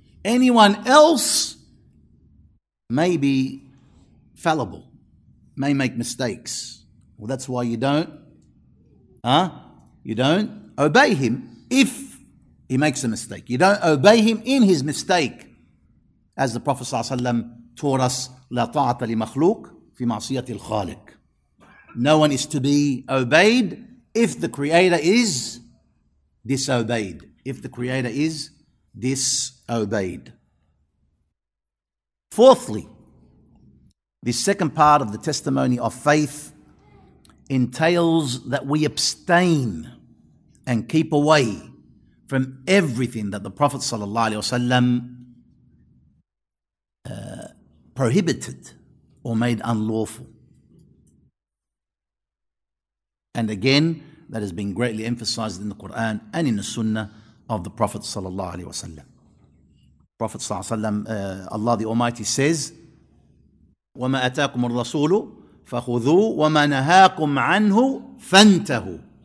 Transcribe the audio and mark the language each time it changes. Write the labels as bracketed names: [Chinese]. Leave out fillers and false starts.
[English] Anyone else may be fallible, may make mistakes. Well, that's why you don't obey him if he makes a mistake. You don't obey him in his mistake. As the Prophet ﷺ taught us, [Arabic] لَا طَاعَةَ لِمَخْلُوقٍ فِي مَعْصِيَةِ الْخَالِقِ. [English] No one is to be obeyed if the Creator is disobeyed. If the Creator is disobeyed. Fourthly, the second part of the testimony of faith entails that we abstain and keep away from everything that the Prophet ﷺ prohibited or made unlawful. And again, that has been greatly emphasized in the Quran and in the Sunnah of the Prophet ﷺ. Prophet ﷺ, Allah the Almighty says, [Arabic] وَمَا أَتَاكُمُ الرَّسُولُ فَخُذُوهُ وَمَا نَهَاكُمْ عَنْهُ فَانْتَهُ.